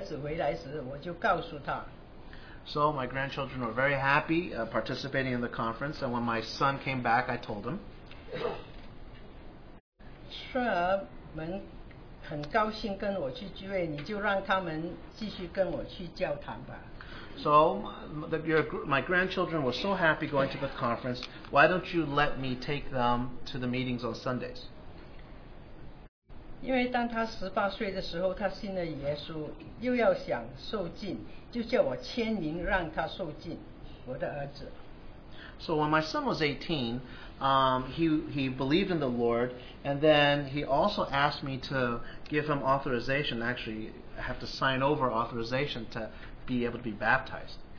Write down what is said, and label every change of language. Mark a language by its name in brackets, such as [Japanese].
[Chinese] 他们很高兴的聚集唱诗歌等等。后来儿子回来时，我就告诉他。 [English] So my grandchildren were very happy participating in the conference, and when my son came back, I told him. [Chinese] 孙儿们很高兴跟我去聚会，你就让他们继续跟我去教堂吧。 [English] So my grandchildren were so happy going to the conference. Why don't you let me take them to the meetings on Sundays? [Chinese] 因为当他18岁的时候，他信了耶稣，又要想受浸，就叫我签名让他受浸，我的儿子。 [English] So when my son was 18, he believed in the Lord, and then he also asked me to give him authorization, actually have to sign over authorization to be able to be baptized.